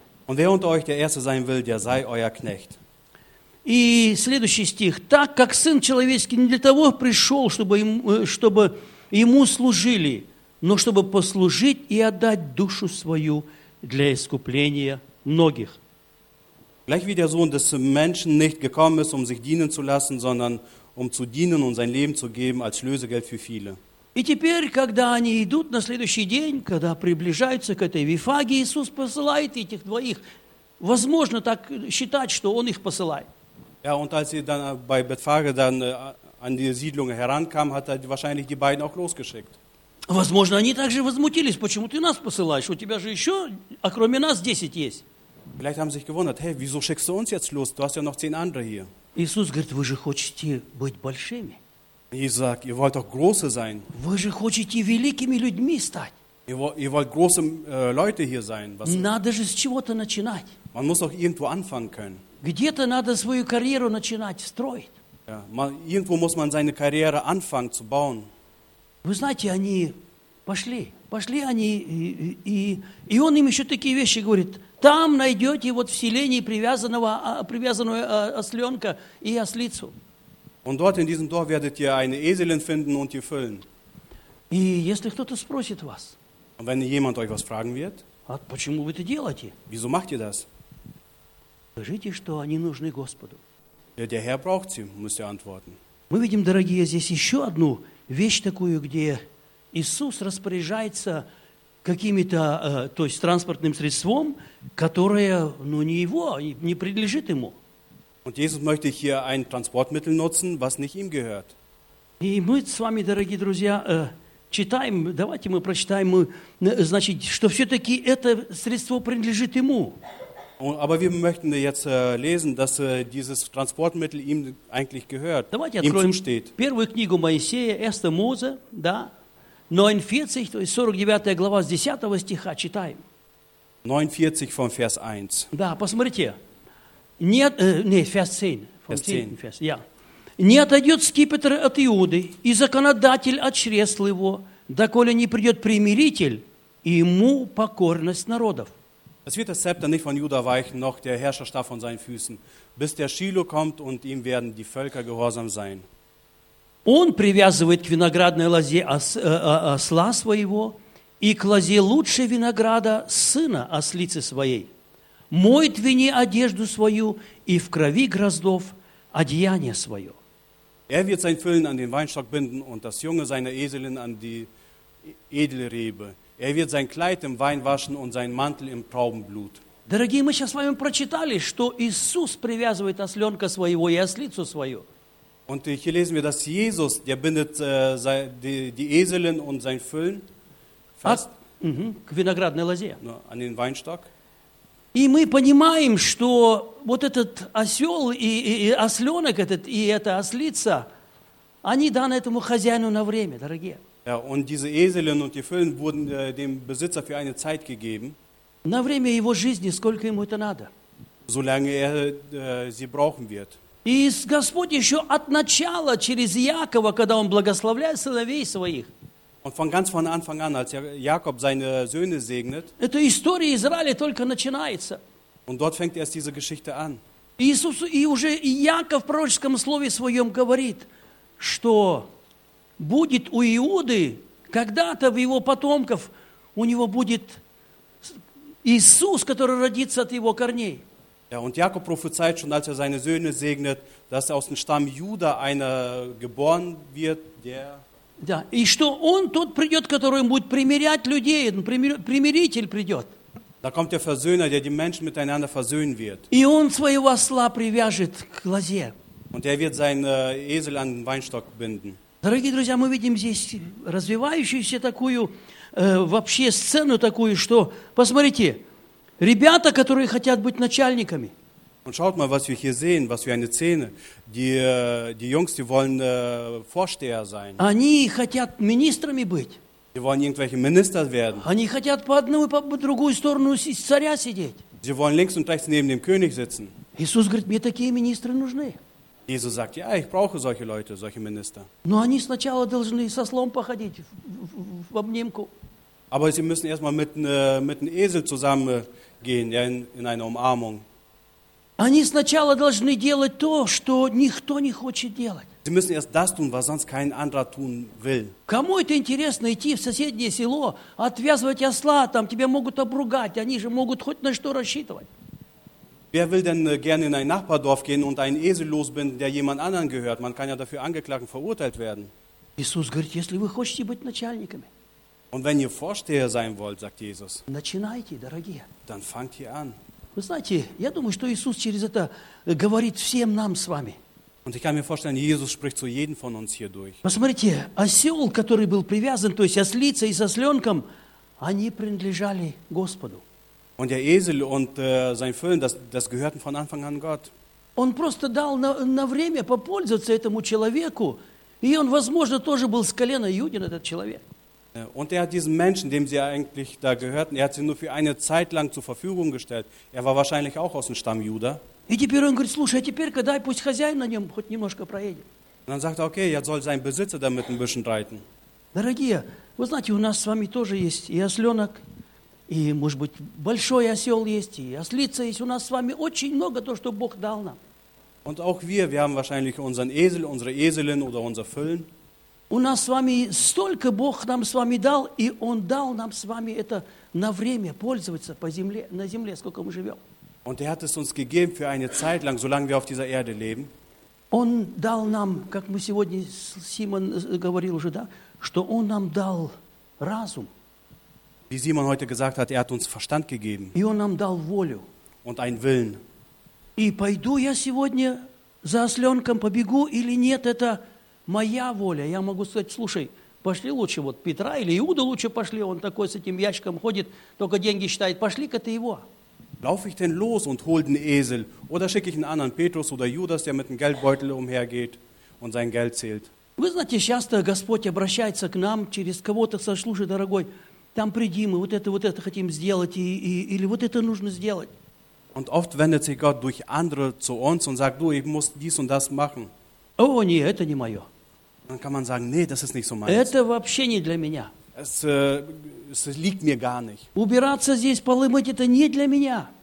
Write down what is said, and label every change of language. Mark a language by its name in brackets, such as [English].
[German] Und wer unter euch der Erste sein will, der sei euer Knecht. [Russian] И следующий стих. Так как Сын Человеческий не для того пришел, чтобы Ему служили, но чтобы послужить и отдать душу свою для искупления многих. [German] Gleich wie der Sohn des Menschen nicht gekommen ist, sich dienen zu lassen, sondern zu dienen und sein Leben zu geben als Lösegeld für viele. [Russian] И теперь, когда они идут на следующий день, когда приближаются к этой Вифагии, Иисус посылает этих двоих. Возможно так считать, что Он их посылает. [German] Ja, und als sie dann bei Betfage dann an die Siedlung herankam, hat wahrscheinlich die beiden auch losgeschickt. [Russian] Возможно, они также возмутились, почему ты нас посылаешь? У тебя же еще, а кроме нас, 10 есть. [German] Vielleicht haben sie sich gewundert, hey, wieso schickst du uns jetzt los? Du hast ja noch 10 andere hier. [Russian] Иисус говорит, вы же хотите быть большими. Иисус говорит, [German] ihr wollt doch große sein. [Russian] Вы же хотите великими людьми стать. [German] Ihr wollt große Leute hier sein. [Russian] Was Надо же с чего-то начинать. [German] Man muss doch irgendwo anfangen können. [Russian] Где-то надо свою карьеру начинать строить. [German] Irgendwo muss man seine Karriere anfangen zu bauen. [Russian] Вы знаете, они пошли. Пошли они, и он им еще такие вещи говорит. Там найдете вот в селении привязанного осленка и ослицу. [German] Und dort in diesem Dorf werdet ihr eine Eselin finden und die Füllen. [Russian] И если кто-то спросит вас. [German] Und wenn jemand euch was fragen wird. [Russian] А почему вы это делаете? [German] Wieso macht ihr das? [Russian] Скажите, что они нужны Господу. [German] Der Herr braucht sie, müsst ihr antworten. [Russian] Мы видим, дорогие, здесь еще одну вещь такую, где Иисус распоряжается какими-то, то есть транспортным средством, которое, ну, не его, не принадлежит ему. [German] Und Jesus möchte hier ein Transportmittel nutzen, was nicht ihm gehört. [Russian] И мы с вами, дорогие друзья, читаем, давайте мы прочитаем, значит, что все-таки это средство принадлежит ему. [German] Aber wir möchten jetzt lesen, dass dieses Transportmittel ihm eigentlich gehört, [Russian] Давайте [German] ihm zusteht. [Russian] Первую книгу Моисея, 1. Mose, да, 49, то есть 49 глава с 10 стиха, читаем. [German] 49 von Vers 1. [Russian] Да, посмотрите. [German] Vers 10. [Russian] Не отойдет скипетр от Иуды, и законодатель от чресла его, доколе не придет примиритель, ему покорность народов. [German] Es wird das Zepter nicht von Juda weichen, noch der Herrscherstab von seinen Füßen, bis der Schilo kommt und ihm werden die Völker gehorsam sein. [Russian] Он привязывает к виноградной лозе осла своего и к лозе лучшего винограда сына ослицы своей. Моет вине одежду свою и в крови гроздов одеяние свое. [German] Wird sein Füllen an den Weinstock binden und das Junge seiner Eselin an die edle Rebe. Wird sein Kleid im Wein waschen und sein Mantel im Traubenblut. [Russian] Дорогие, мы сейчас с вами прочитали, что Иисус привязывает осленка своего и ослицу свою. [German] Und hier lesen wir, dass Jesus, der bindet die Eselin und sein Füllen fest [Russian] к виноградной лозе. [German] An den Weinstock. [Russian] И мы понимаем, что вот этот осел и осленок этот и эта ослица, они даны этому хозяину на время, дорогие. [German] Ja, und diese Eselin und die Füllen wurden dem Besitzer für eine Zeit gegeben. [Russian] На время его жизни, сколько ему это надо? [German] Solange er sie brauchen wird. [Russian] И Господь еще от начала через Якова, когда он благословляет сыновей своих. [German] Und von ganz von Anfang an, als Jakob seine Söhne segnet. [Russian] Эта история Израиля только начинается. [German] Und dort fängt erst diese Geschichte an. [Russian] Иисус и уже Яков в пророческом слове своем говорит, что будет у Иуды, когда-то в его потомков у него будет Иисус, который родится от его корней. [German] Ja, und Jakob prophezeit schon, als seine Söhne segnet, dass aus dem Stamm Juda einer geboren wird, der... [Russian] Ja, и что он тот придет, который будет примирять людей, примиритель придет. [German] Da kommt der Versöhner, der die Menschen miteinander versöhnen wird. [Russian] И он своего осла привяжет к лозе. [German] Und wird seinen Esel an den Weinstock binden. [Russian] Дорогие друзья, мы видим здесь развивающуюся такую вообще сцену такую, что, посмотрите, ребята, которые хотят быть начальниками. [German] Und schaut mal, was wir hier sehen, was für eine Szene. Die Jungs, die wollen Vorsteher sein. [Russian] Они хотят министрами быть. [German] Die wollen irgendwelche Minister werden. [Russian] Они хотят по одну и по другую сторону царя сидеть. [German] Sie wollen links und rechts neben dem König sitzen. [Russian] Иисус говорит, мне такие министры нужны. [German] Jesus sagt, ja, ich brauche solche Leute, solche Minister. [Russian] Но они сначала должны со слом походить в обнимку. [German] Aber sie müssen erstmal mit einem Esel zusammengehen, ja, in eine Umarmung. [Russian] Они сначала должны делать то, что никто не хочет делать. [German] Sie müssen erst das tun, was sonst kein anderer tun will. [Russian] Кому это интересно идти в соседнее село, отвязывать осла, там тебя могут обругать, они же могут хоть на что рассчитывать. [German] Wer will denn gerne in ein Nachbardorf gehen und einen Esel losbinden, der jemand anderen gehört? Man kann ja dafür angeklagt und verurteilt werden. [Russian] Иисус говорит, если вы хотите быть начальниками. [German] Und wenn ihr Vorsteher sein wollt, sagt Jesus. [Russian] Начинайте, дорогие. [German] Dann fangt ihr an. [Russian] Вы знаете, я думаю, что Иисус через это говорит всем нам с вами. [German] Und ich kann mir vorstellen, Jesus spricht zu jedem von uns hier durch. [Russian] Посмотрите, осел, который был привязан, то есть ослица и сосленком, они принадлежали Господу. [German] Und der Esel und sein Füllen, das gehörten von Anfang an Gott. [Russian] Он просто дал на время попользоваться этому человеку, и он, возможно, тоже был с колена Юдин, этот человек. [German] Und er hat diesen Menschen, dem sie eigentlich da gehörten, er hat sie nur für eine Zeit lang zur Verfügung gestellt. Er war wahrscheinlich auch aus dem Stamm Juda. [Russian] И теперь он говорит, слушай, теперь-ка дай, пусть хозяин на нем хоть немножко проедет. [German] Und dann sagt er, okay, er soll seinen Besitzer damit ein bisschen reiten. [Russian] Дорогие, вы знаете, у нас с вами тоже есть и осленок, и, может быть, большой осел есть, и ослица есть. У нас с вами очень много то, что Бог дал нам. [German] Und auch wir haben wahrscheinlich unseren Esel, unsere Eselin oder unser Füllen. [Russian] У нас с вами столько Бог нам с вами дал, и Он дал нам с вами это на время пользоваться по земле, на земле, сколько мы живем. [German] Und er hat es uns gegeben für eine Zeit lang, solange wir auf dieser Erde leben. [Russian] Он дал нам, как мы сегодня Симон говорил уже, да, что Он нам дал разум. [German] Wie Simon heute gesagt hat, er hat uns Verstand gegeben. [Russian] И Он нам дал волю. [German] Und einen Willen. [Russian] И пойду я сегодня за осленком, побегу или нет, это моя воля. Я могу сказать, слушай, пошли лучше вот Петра или Иуду лучше пошли, он такой с этим ящиком ходит, только деньги считает, пошли-ка ты его. [German] Laufe ich denn los und hol den Esel? Oder schicke ich einen anderen, Petrus oder Judas, der mit einem Geldbeutel umhergeht und sein Geld zählt? [Russian] Вы знаете, часто Господь обращается к нам через кого-то, сказать, слушай, дорогой, там приди, мы вот это хотим сделать, или вот это нужно сделать. [German] Und oft wendet sich Gott durch andere zu uns und sagt, du, ich muss dies und das machen. [Russian] О, нет, это не мое. [German] Dann kann man sagen, nee, das ist nicht so meins. [Russian] Это вообще не для меня. [German] Es liegt mir gar nicht. [Russian] Убираться здесь, полы мыть, это не для меня.